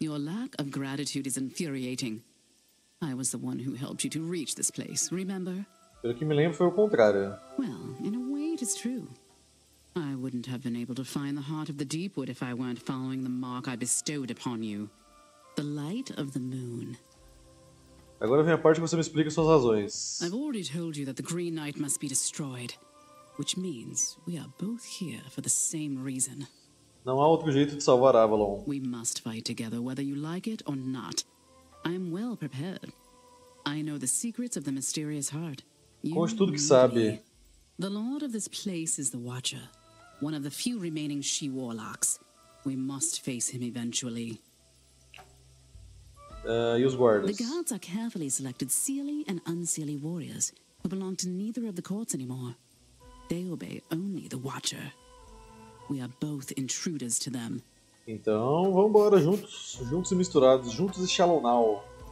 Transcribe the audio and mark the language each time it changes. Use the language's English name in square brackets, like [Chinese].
[English] Your lack of gratitude is infuriating. I was the one who helped you to reach this place, remember? [Portuguese] Pelo que me lembro, foi o contrário. [English] Well, in a way it is true. I wouldn't have been able to find the heart of the Deepwood if I weren't following the mark I bestowed upon you. The light of the moon. [Portuguese] Agora vem a parte que você me explica suas razões. [English] I've already told you that the Green Knight must be destroyed, which means we are both here for the same reason. [Portuguese] Não há outro jeito de salvar Avalon. [English] We must fight together, whether you like it or not. I am well prepared. I know the secrets of the mysterious heart. [Portuguese] Conte tudo que sabe. [English] The lord of this place is the Watcher, one of the few remaining she warlocks. We must face him eventually. [Portuguese] E os guardas? [English] The guards are carefully selected Seelie and Unseelie warriors who belong to neither of the courts anymore. They obey only the Watcher. We are both intruders to them. [Portuguese] Então, vambora juntos, juntos e misturados, juntos e Shallow Now.